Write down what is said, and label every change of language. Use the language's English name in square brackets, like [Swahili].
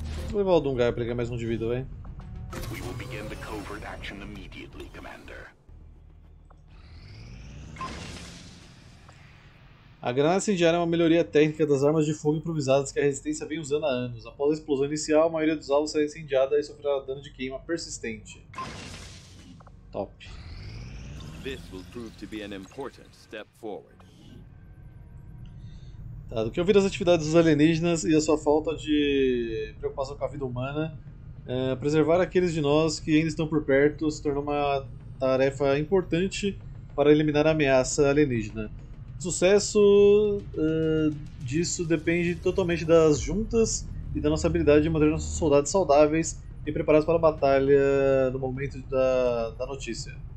[Portuguese] Vou levar o Dungai pra ganhar mais um de vida, vem. [English] We will begin the covert action immediately, Commander. [Portuguese] A granada incendiária é uma melhoria técnica das armas de fogo improvisadas que a resistência vem usando há anos. Após a explosão inicial, a maioria dos alvos será incendiada e sofrerá dano de queima persistente. Top. [English] This will prove to be an important step forward. [Portuguese] Tá, do que eu vi das atividades dos alienígenas e a sua falta de preocupação com a vida humana, preservar aqueles de nós que ainda estão por perto se tornou uma tarefa importante para eliminar a ameaça alienígena. O sucesso disso depende totalmente das juntas e da nossa habilidade de manter nossos soldados saudáveis e preparados para a batalha no momento da notícia.